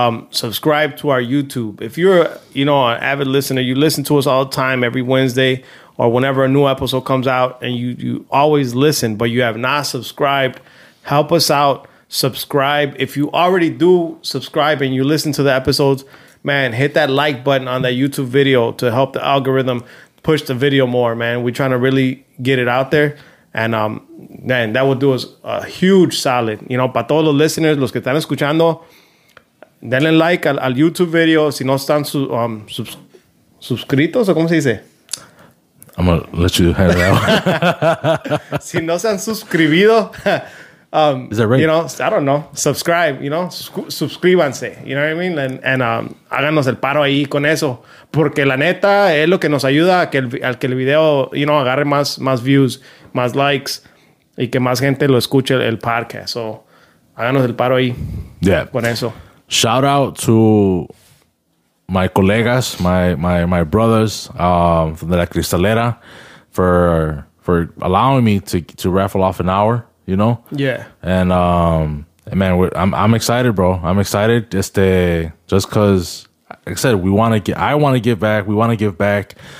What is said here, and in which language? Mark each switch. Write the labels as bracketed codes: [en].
[en] Subscribe to our YouTube. If you're, you know, an avid listener, you listen to us all the time, every Wednesday or whenever a new episode comes out, and you always listen, but you have not subscribed, help us out. Subscribe. If you already do subscribe and you listen to the episodes, man, hit that like button on that YouTube video to help the algorithm push the video more, man. We're trying to really get it out there. And, man, that would do us a huge solid. You know, [es] para todos los listeners, los que están escuchando, denle like al YouTube video. Si no están suscritos, ¿o cómo se dice? [en] I'm going to let you handle that one. [es] Si no se han suscribido, [en] is that right? You know, I don't know. Subscribe, you know, [es] suscríbanse. [en] You know what I mean? [es] And háganos el paro ahí con eso. Porque la neta es lo que nos ayuda a que el video, [en] you know, [es] agarre más views, más likes, y que más gente lo escuche el podcast. So, háganos el paro ahí con eso. [en] Shout out to my [es] colegas, [en] my brothers from De La Cristalera for allowing me to raffle off an hour, you know? Yeah. And, man, I'm excited, bro. I'm excited just because... Like I said, I want to give back. We want to give back.